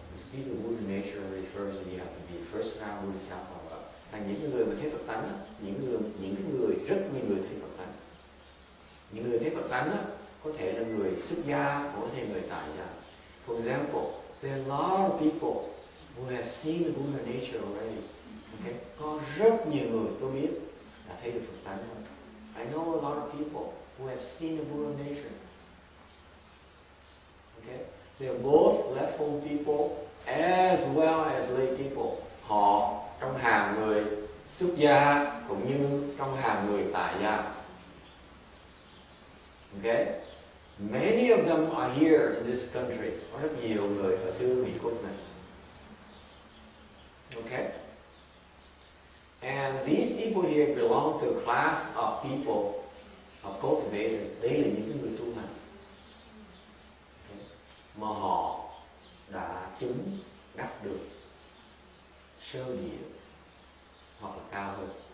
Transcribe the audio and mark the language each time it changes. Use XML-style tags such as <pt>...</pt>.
<en>To see the Buddha nature refers to you have to be first ground Bodhisattva.</en> <vi>Là những người mà thấy Phật tánh, những người rất nhiều người thấy Phật tánh. Những người thấy Phật tánh có thể là người xuất gia, có thể người tại gia.</vi> <en>For example, there are a lot of people who have seen the Buddha nature already, OK?</en> <vi>Có rất nhiều người tôi biết đã thấy được Phật tánh rồi.</vi> <en>I know a lot of people who have seen the Buddha nature. OK? They're both left home people as well as lay people.</en> <vi>Họ trong hàng người xuất gia cũng như trong hàng người tại gia.</vi> <en>OK? Many of them are here in this country.</en> <vi>Có rất nhiều người ở xứ Mỹ Quốc này.</vi> <en>OK? And these people here belong to a class of people, of cultivators.</en> <vi>Đây là những người tu hành. Okay. Mà họ đã chứng đắc được sơ địa hoặc là cao hơn.</vi>